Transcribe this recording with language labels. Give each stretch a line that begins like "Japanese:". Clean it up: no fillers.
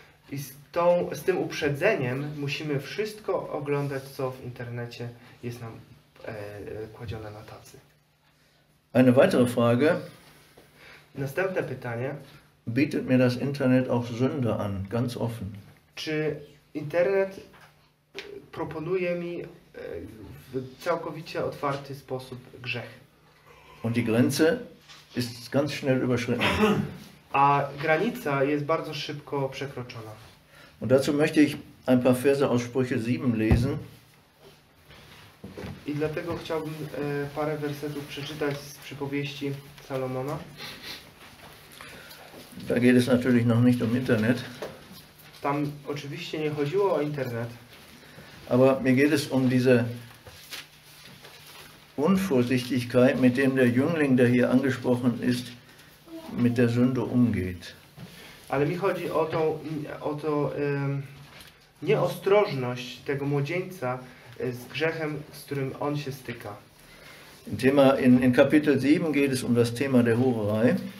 Polish: I z tym uprzedzeniem musimy wszystko oglądać, co w internecie jest nam kładzione na tacy.
German: Eine weitere Frage.
Polish: Następne pytanie.
German: Bietet mir das Internet auch Sünde an, ganz offen?
Polish: Czy Internet proponuje mi w całkowicie otwarty sposób grzech?
German: Und die Grenze ist ganz schnell überschritten.
Polish: A granica jest bardzo szybko przekroczona.
German: Und dazu möchte ich ein paar Verse aus Sprüche 7 lesen.
Polish: I dlatego chciałbym parę wersetów przeczytać z przypowieści Salomona.
German: Da geht es natürlich noch nicht um Internet.
Polish: Tam oczywiście nie chodziło o Internet.
German: Aber mir geht es um diese Unvorsichtigkeit, mit dem der Jüngling, der hier angesprochen ist, mit der Sünde umgeht.
Polish: Ale mi chodzi o tą nieostrożność tego młodzieńca z grzechem, z którym on się styka.
German: In Kapitel 7 geht es um das Thema der Hurerei.